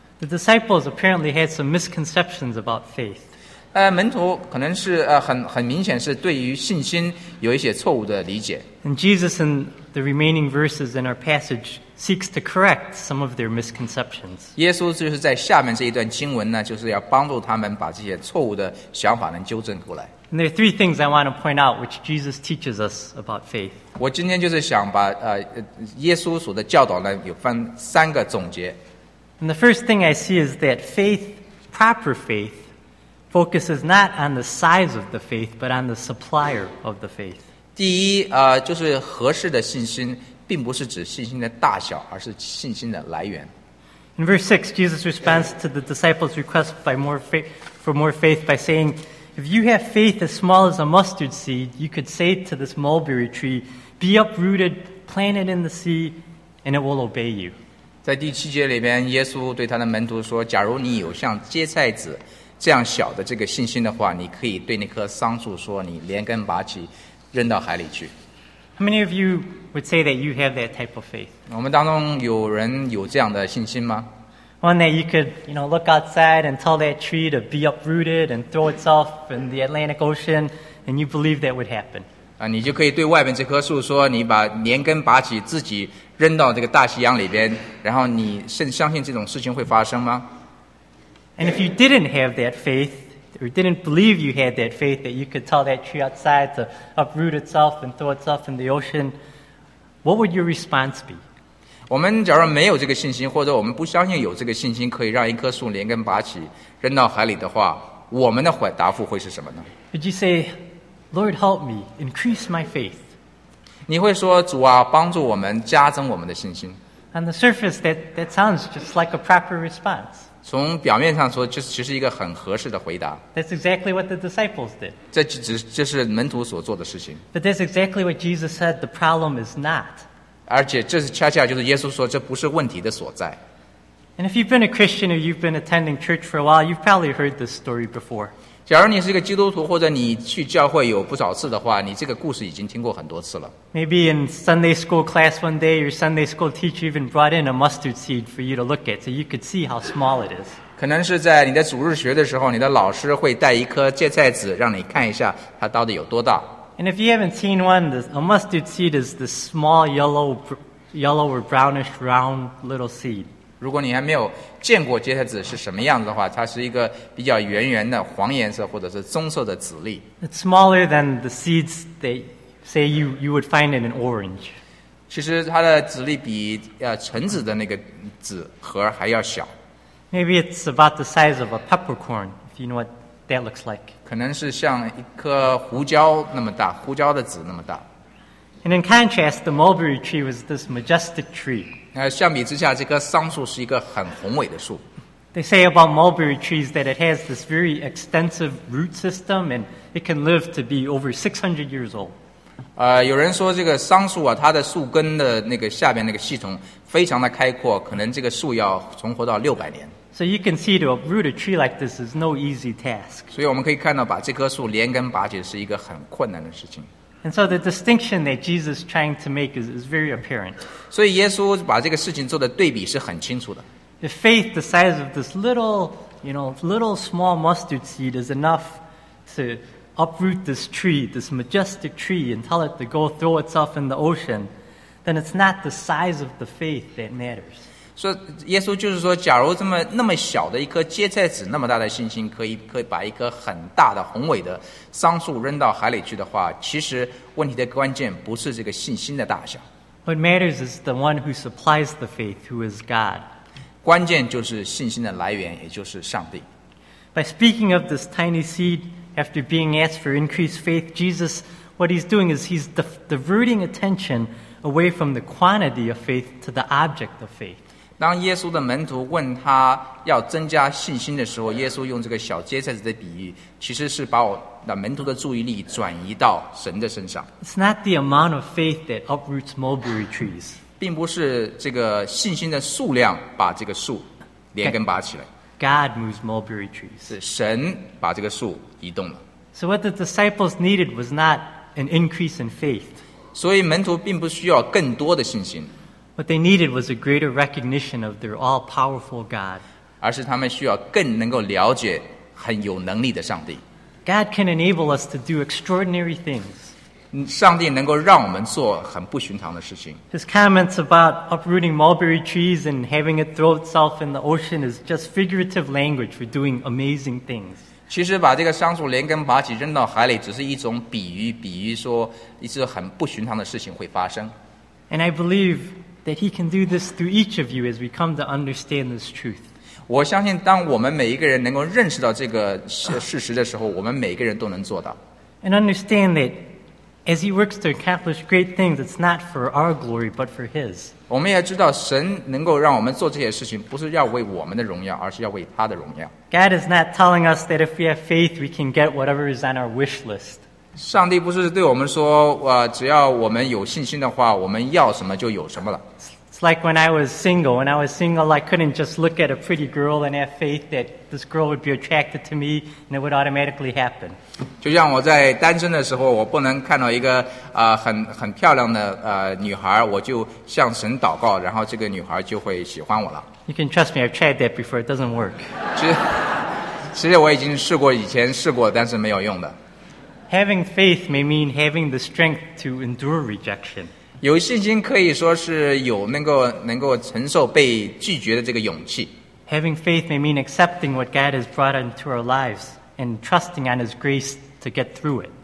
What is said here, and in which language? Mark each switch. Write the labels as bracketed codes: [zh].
[en] The disciples apparently had some misconceptions about faith. [zh] 门徒可能是很明显是对于信心有一些错误的理解。 [en] And Jesus in the remaining verses in our passage seeks to correct some of their misconceptions. [zh] 耶稣就是在下面这一段经文呢，就是要帮助他们把这些错误的想法能纠正过来。 [en] And there are three things I want to point out which Jesus teaches us about faith. [zh] 我今天就是想把耶稣所的教导呢，有分三个总结。 [en] And the first thing I see is that faith, proper faith,focuses not on the size of the faith, but on the supplier of the faith. [zh] 第一，就是合适的信心，并不是指信心的大小，而是信心的来源。 [en] In verse 6, Jesus responds to the disciples' request for more faith by saying, if you have faith as small as a mustard seed, you could say to this mulberry tree, be uprooted, plant it in the sea, and it will obey you. [zh] 在第七节里边，耶稣对他的门徒说，假如你有像芥菜籽这样小的这个信心的话，你可以对那棵桑树说：“你连根拔起，扔到海里去。” [en] How many of you would say that you have that type of faith? [zh] 我们当中有人有这样的信心吗 [en] ？One that you could, you know, look outside and tell that tree to be uprooted and throw itself in the Atlantic Ocean, and you believe that would happen. [zh] 啊，你就可以对外面这棵树说：“你把连根拔起，自己扔到这个大西洋里边，然后你相信这种事情会发生吗？” [en] And if you didn't have that faith, or didn't believe you had that faith, that you could tell that tree outside to uproot itself and throw itself in the ocean, what would your response be? [zh] 我们假如没有这个信心，或者我们不相信有这个信心可以让一棵树连根拔起扔到海里的话，我们的答复会是什么呢？ [en] Would you say, Lord, help me, increase my faith? [zh] 你会说，主啊，帮助我们，加增我们的信心。 [en] On the surface, that sounds just like a proper response. [zh] 从表面上说，这其实一个很合适的回答。 [en] That's exactly what the disciples did. [zh] 这是门徒所做的事情。 [en] But that's exactly what Jesus said. The problem is not. [zh] 而且这恰恰就是耶稣说，这不是问题的所在。 [en] And if you've been a Christian or you've been attending church for a while, you've probably heard this story before. [zh] 假如你是一个基督徒，或者你去教会有不少次的话，你这个故事已经听过很多次了。 [en] Maybe in Sunday school class one day, your Sunday school teacher even brought in a mustard seed for you to look at, so you could see how small it is. [zh] 可能是在你的主日学的时候，你的老师会带一颗芥菜籽让你看一下它到底有多大。 [en] And if you haven't seen one, a mustard seed is the small yellow or brownish round little seed. [zh] 如果你还没有见过芥菜籽是什么样子的话，它是一个比较圆圆的黄颜色或者是棕色的籽粒。 [en] It's smaller than the seeds they say you would find in an orange. [zh] 其实它的籽粒比橙子的那个籽核还要小。 [en] Maybe it's about the size of a peppercorn, if you know what that looks like. [zh] 可能是像一颗胡椒那么大，胡椒的籽那么大。 [en] And in contrast, the mulberry tree was this majestic tree. [zh] 相比之下，这棵桑树是一个很宏伟的树。 [en] They say about mulberry trees that it has this very extensive root system and it can live to be over 600 years old. [zh] 有人说这个桑树啊，它的树根的那个下面那个系统非常的开阔，可能这个树要存活到600年。 [en] So you can see to uproot a tree like this is no easy task. [zh] 所以我们可以看到，把这棵树连根拔起是一个很困难的事情。 [en] And so the distinction that Jesus is trying to make is very apparent. [zh] 所以耶稣把这个事情做的对比是很清楚的。 [en] If faith the size of this little, you know, little small mustard seed is enough to uproot this tree, this majestic tree, and tell it to go throw itself in the ocean, then it's not the size of the faith that matters. [zh] 所以耶稣就是说，假如这么那么小的一颗芥菜籽那么大的信心，可以把一棵很大的宏伟的桑树扔到海里去的话，其实问题的关键不是这个信心的大小。 [en] What matters is the one who supplies the faith, who is God. [zh] 关键就是信心的来源，也就是上帝。 [en] By speaking of this tiny seed after being asked for increased faith, Jesus, what he's doing is he's diverting attention away from the quantity of faith to the object of faith. [zh] 当耶稣的门徒问他要增加信心的时候，耶稣用这个小芥菜籽的比喻，其实是把我的门徒的注意力转移到神的身上。 [en] It's not the amount of faith that uproots mulberry trees. [zh] 并不是这个信心的数量把这个树连根拔起来。 [en] God moves mulberry trees. [zh] 是神把这个树移动了。 [en] So what the disciples needed was not an increase in faith. [zh] 所以门徒并不需要更多的信心。 [en] What they needed was a greater recognition of their all-powerful God. [zh] 而是他们需要更能够了解很有能力的上帝。 [en] God can enable us to do extraordinary things. [zh] 上帝能够让我们做很不寻常的事情。 [en] His comments about uprooting mulberry trees and having it throw itself in the ocean is just figurative language for doing amazing things. [zh] 其实把这个桑树连根拔起扔到海里只是一种比喻，比喻说一次很不寻常的事情会发生。 [en] And I believe that he can do this through each of you as we come to understand this truth. [zh] 我相信当我们每一个人能够认识到这个事实的时候，我们每一个人都能做到。 [en] And understand that as he works to accomplish great things, it's not for our glory, but for his. [zh] 我们也知道神能够让我们做这些事情，不是要为我们的荣耀，而是要为他的荣耀。 [en] God is not telling us that if we have faith, we can get whatever is on our wish list. [zh] 上帝不是对我们说，只要我们有信心的话，我们要什么就有什么了。 [en] It's like when I was single. When I was single, I couldn't just look at a pretty girl and have faith that this girl would be attracted to me and it would automatically happen. [zh] 就像我在单身的时候，我不能看到一个很漂亮的女孩，我就向神祷告，然后这个女孩就会喜欢我了。 [en] You can trust me. I've tried that before. It doesn't work. [zh] 其实我已经试过，以前试过，但是没有用的。 [en] Having faith may mean having the strength to endure rejection. [zh] 有信心可以说是有能够承受被拒绝的这个勇气。 [en] Having faith may mean accepting what God has brought into our lives and trusting on His grace to get through it.